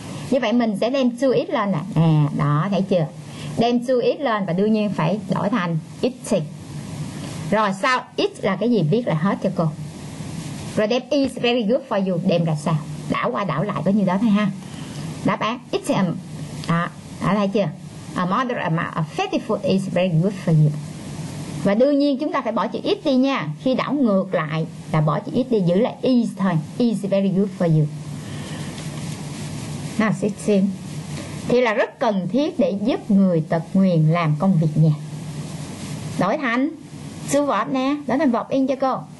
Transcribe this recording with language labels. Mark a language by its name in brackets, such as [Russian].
[Vietnamese] Như vậy mình sẽ đem to eat lên nè. Đó thấy chưa? Đem to eat lên và đương nhiên phải đổi thành eating. Rồi sau it là cái gì viết là hết cho cô. Rồi đem [English] is very good for you [Vietnamese] đem ra sao? Đảo qua đảo lại có như đó thôi ha. Đáp án it's a đó thấy chưa? [English] A moderate amount of fatty food is very good for you. [Vietnamese] Và đương nhiên chúng ta phải bỏ chữ is đi nha. Khi đảo ngược lại là bỏ chữ is đi, giữ lại is thôi. [English] Is very good for you. Now 16. [Vietnamese] Thì là rất cần thiết để giúp người tật nguyền làm công việc nha. Đổi thành to verb nè, đổi thành verb in cho cô.